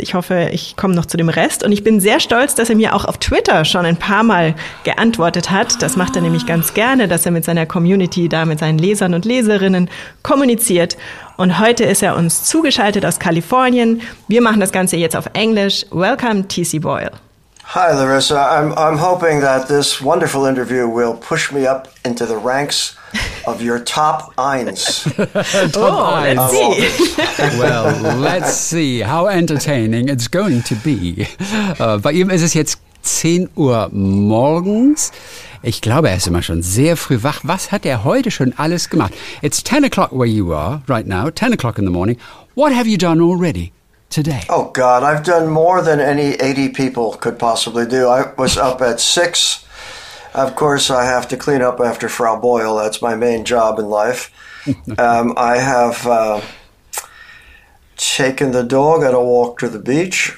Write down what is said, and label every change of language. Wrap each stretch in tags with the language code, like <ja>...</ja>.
<de>Ich hoffe, ich komme noch zu dem Rest. Und ich bin sehr stolz, dass er mir auch auf Twitter schon ein paar Mal geantwortet hat. Das macht er nämlich ganz gerne, dass er mit seiner Community, da mit seinen Lesern und Leserinnen kommuniziert. Und heute ist er uns zugeschaltet aus Kalifornien. Wir machen das Ganze jetzt auf Englisch.</de> <en>Welcome,</en> <de>T.C. Boyle.</de> <en>Hi, Larissa. I'm hoping that this wonderful interview will push me up into the ranks of your top eins. Top eins. Let's see. Well, let's see how entertaining it's going to be.</en> <de>Bei ihm ist es jetzt 10 Uhr morgens. Ich glaube, er ist immer schon sehr früh wach. Was hat er heute schon alles gemacht?</de> <en>It's 10 o'clock where you are right now, 10 o'clock in the morning. What have you done already today? Oh, God, I've done more than any 80 people could possibly do. I was up at 6. Of course, I have to clean up after Frau Boyle. That's my main job in life. I have taken the dog on a walk to the beach.</en>